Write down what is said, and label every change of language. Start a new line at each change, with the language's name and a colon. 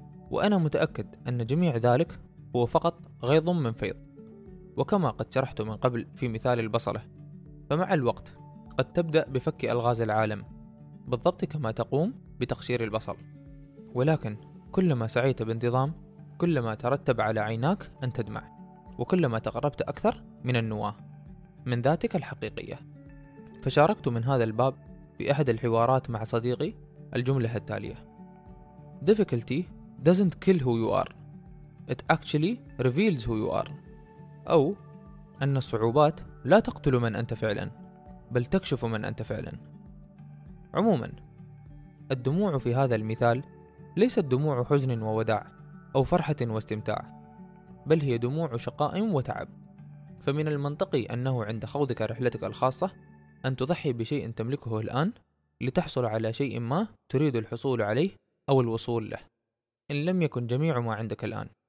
Arabic: وأنا متأكد أن جميع ذلك هو فقط غيظ من فيض، وكما قد شرحت من قبل في مثال البصلة، فمع الوقت قد تبدأ بفك ألغاز العالم بالضبط كما تقوم بتقشير البصل. ولكن كلما سعيت بانتظام، كلما ترتب على عيناك أن تدمع، وكلما تقربت أكثر من النواة، من ذاتك الحقيقية. فشاركت من هذا الباب في أحد الحوارات مع صديقي الجملة التالية:
English: Difficulty doesn't kill who you are, it actually reveals who you are.
Arabic: أو أن الصعوبات لا تقتل من أنت فعلا، بل تكشف من أنت فعلا. عموما، الدموع في هذا المثال ليست دموع حزن ووداع أو فرحة واستمتاع، بل هي دموع وشقاء وتعب. فمن المنطقي أنه عند خوضك رحلتك الخاصة أن تضحي بشيء تملكه الآن لتحصل على شيء ما تريد الحصول عليه أو الوصول له، إن لم يكن جميع ما عندك الآن.